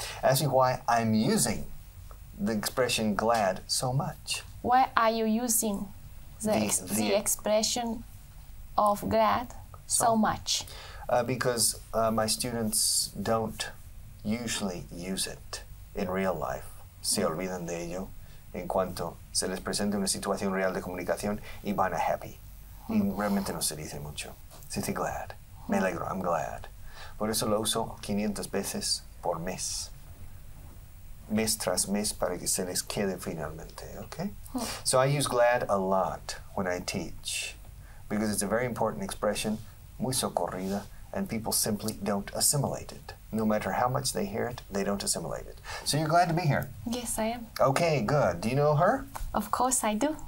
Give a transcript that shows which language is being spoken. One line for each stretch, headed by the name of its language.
English: Ask me why I'm using the expression glad so much. Why are you using the expression of glad so much? Because my students don't usually use it in real life.
Spanish: Se olvidan de ello. En cuanto se les presente una situación real de comunicación, y van a happy. Y realmente no se dice mucho. Se dice glad. Me alegro.
English: I'm glad.
Spanish: Por eso lo uso 500 veces por mes. Mes tras mes para que se les quede finalmente.
English: Okay? So I use glad a lot when I teach. Because it's a very important expression,
Spanish: muy socorrida,
English: and people simply don't assimilate it. No matter how much they hear it, they don't assimilate it. So you're glad to be here? Yes, I am. Okay, good. Do you know her? Of course I do.